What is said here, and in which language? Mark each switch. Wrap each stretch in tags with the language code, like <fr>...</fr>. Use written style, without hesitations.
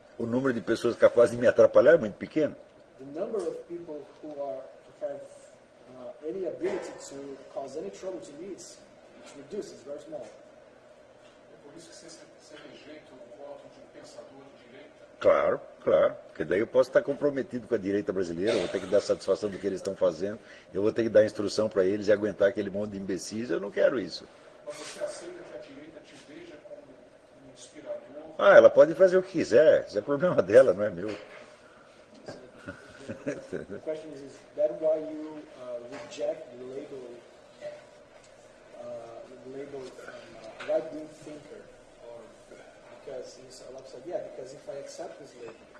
<pt>O número de pessoas capazes de me atrapalhar é muito pequeno.</pt> <en>The number of people who have any ability to cause any trouble to me is reduced, it's very small.</en> <pt>É por isso que você rejeita o voto de um pensador de direita? Claro, claro. Porque daí eu posso estar comprometido com a direita brasileira, vou ter que dar satisfação do que eles estão fazendo, eu vou ter que dar instrução para eles e aguentar aquele monte de imbecis, eu não quero isso. Mas você aceita que a direita te veja como um inspirador? Ah, ela pode fazer o que quiser, isso é problema dela, não é meu.</pt> <en>A question is that why you reject the label right wing thinker? Or because it's a lot said, yeah, because if I accept this label.</en>